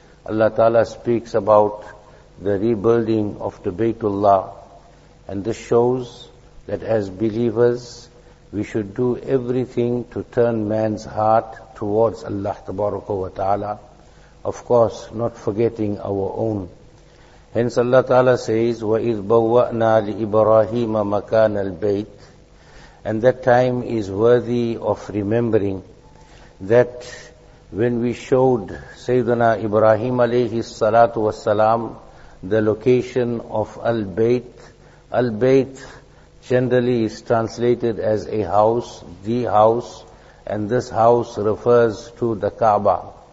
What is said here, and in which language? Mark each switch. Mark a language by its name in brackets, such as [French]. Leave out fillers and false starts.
[English] Allah ta'ala speaks about the rebuilding of the Baytullah, and this shows that as believers we should do everything to turn man's heart towards Allah tabaraka wa ta'ala, of course not forgetting our own. Hence Allah Ta'ala says, [Arabic] وَإِذْ بَوَّأْنَا لِإِبْرَاهِيمَ مَكَانَ الْبَيْتِ. [English] And that time is worthy of remembering, that when we showed Sayyidina Ibrahim alayhi salatu wasalam the location of Al-Bayt. Al-Bayt generally is translated as a house, the house, and this house refers to the Kaaba.